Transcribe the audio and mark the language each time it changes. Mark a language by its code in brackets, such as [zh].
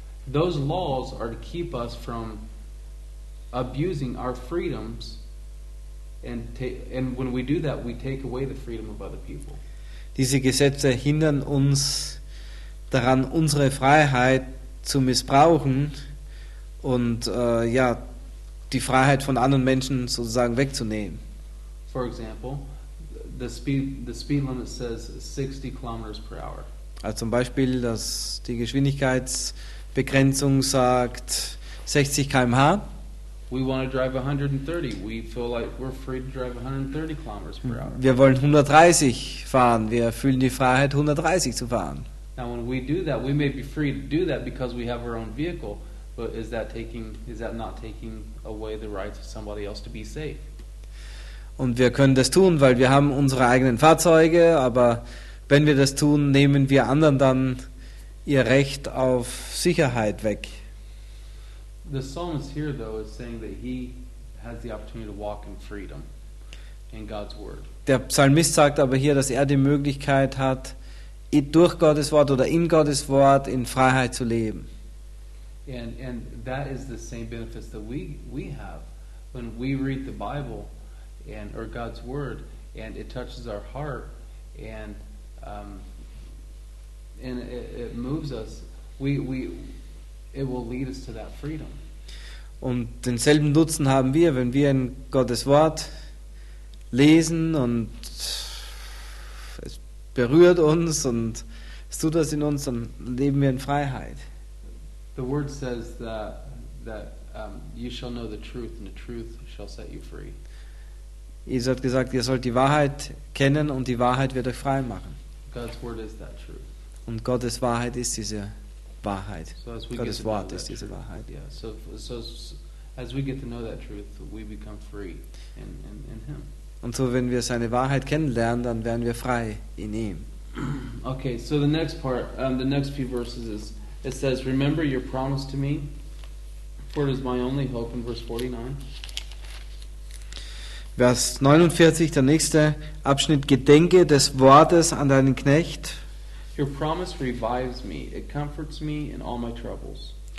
[en] Those laws are to keep us from abusing our freedoms, and when we do that, we take away the freedom of other people. [de] Diese Gesetze hindern uns daran, unsere Freiheit zu missbrauchen und die Freiheit von anderen Menschen sozusagen wegzunehmen. [en] For example, the speed limit says 60 kilometers per hour. [de] Also zum Beispiel, dass die Geschwindigkeits Begrenzung sagt 60 km/h. [en] We want to drive 130. We feel like we're free to drive 130 kilometers per hour. [de] Wir wollen 130 fahren. Wir fühlen die Freiheit, 130 zu fahren. [en] Now when we do that, we may be free to do that because we have our own vehicle, but is that not taking away the rights of somebody else to be safe? [de] Und wir können das tun, weil wir haben unsere eigenen Fahrzeuge, aber wenn wir das tun, nehmen wir anderen dann ihr Recht auf Sicherheit weg. [en] The psalmist here though is saying that he has the opportunity to walk in freedom in God's word. [de] Der Psalmist sagt aber hier, dass er die Möglichkeit hat, durch Gottes Wort oder in Gottes Wort in Freiheit zu leben. [en] And that is the same benefit that we have when we read the Bible and or God's word and it touches our heart and and it moves us, it will lead us to that freedom. [de] Und denselben Nutzen haben wir, wenn wir in Gottes Wort lesen und es berührt uns und es tut das in uns, dann leben wir in Freiheit. [en] The word says that you shall know the truth and the truth shall set you free. [de] Jesus hat gesagt, ihr sollt die Wahrheit kennen und die Wahrheit wird euch frei machen. [en] God's word is that truth. [de] Und Gottes Wahrheit ist diese Wahrheit. Gottes Wort ist diese Wahrheit. [en] Yeah. So, As we get to know that truth, we become free in him. [de] Und so, wenn wir seine Wahrheit kennenlernen, dann werden wir frei in ihm. [en] Okay, so the next part, the next few verses is, it says, remember your promise to me, for it is my only hope, in verse 49. [de] Vers 49, der nächste Abschnitt, gedenke des Wortes an deinen Knecht. [en] Your promise revives me, it comforts me in all my troubles.